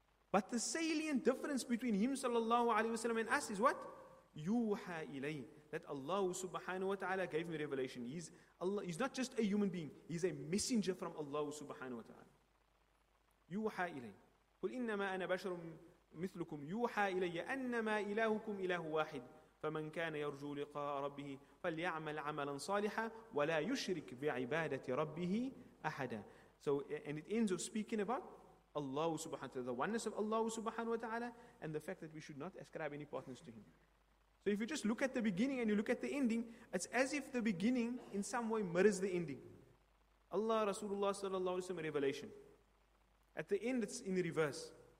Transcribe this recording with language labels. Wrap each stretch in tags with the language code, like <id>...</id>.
<en>But the salient difference between him, sallallahu alayhi wa sallam, and us is what? Yuha ilay. That Allah subhanahu wa ta'ala gave him revelation. He's not just a human being. He's a messenger from Allah subhanahu wa ta'ala. Yuha ilay.</en> <ar>قُلْ إِنَّمَا أَنَا بَشَرٌ مثلكم يوحى إلي أنما إلهكم إله واحد فمن كان يرجو لقاء ربه فليعمل عملا صالحا ولا يشرك بعبادة ربه أحدا.</ar> <en>So and it ends up speaking about Allah subhanahu wa ta'ala, the oneness of Allah subhanahu wa ta'ala, and the fact that we should not ascribe any partners to Him. So if you just look at the beginning and you look at the ending, it's as if the beginning in some way mirrors the ending. Allah, Rasulullah sallallahu alayhi wa sallam, revelation. At the end, it's in the reverse.</en>